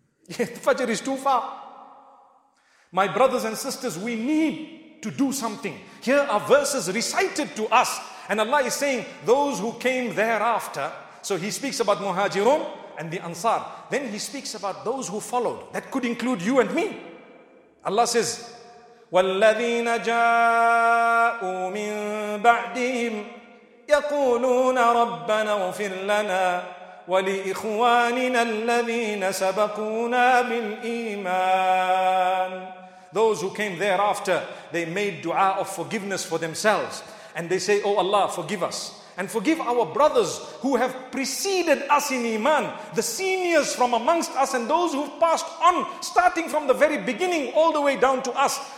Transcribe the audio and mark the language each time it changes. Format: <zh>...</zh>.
<en>Fajr is too far. My brothers and sisters, we need to do something. Here are verses recited to us. And Allah is saying, those who came thereafter. So He speaks about Muhajirun and the Ansar. Then He speaks about those who followed. That could include you and me.</en> <ar>Allah says, وَالَّذِينَ جَاءُوا مِن بَعْدِهِمْ يَقُولُونَ رَبَّنَا اغْفِرْ لَنَا وَلِإِخْوَانِنَا الَّذِينَ سَبَقُونَا بِالْإِيمَانِ.</ar> <en>Those who came thereafter, they made dua of forgiveness for themselves. And they say, oh Allah, forgive us. And forgive our brothers who have preceded us in Iman, the seniors from amongst us and those who've passed on, starting from the very beginning all the way down to us.</en>